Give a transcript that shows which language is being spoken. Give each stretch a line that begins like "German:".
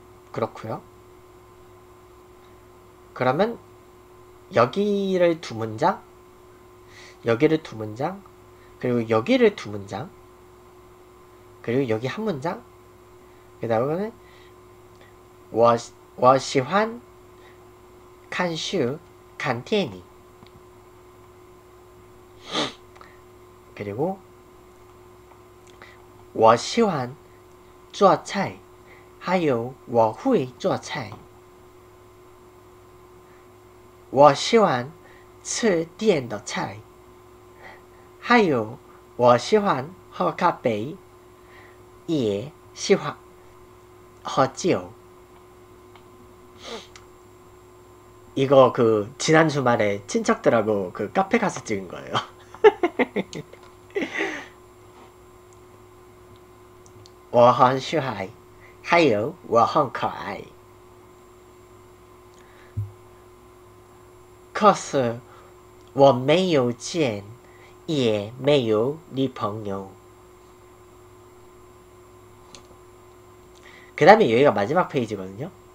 Korean: 그렇구요. 그러면 여기를 두 문장, 여기를 두 문장, 그리고 여기를 두 문장, 그리고 여기 한 문장. 그다음에는
Chinese: 我喜欢看书、看电影，
Korean: 그리고
Chinese: 我喜欢做菜，还有我会做菜。我喜欢吃点的菜，还有我喜欢喝咖啡，也喜欢喝酒。
Korean: 이거 그 지난 주말에 친척들하고 그 카페 가서 찍은 거예요.
Chinese: 我很帅，还有我很可爱。可是我没有钱，也没有女朋友。
Korean: 그 다음에 여기가 마지막 페이지거든요.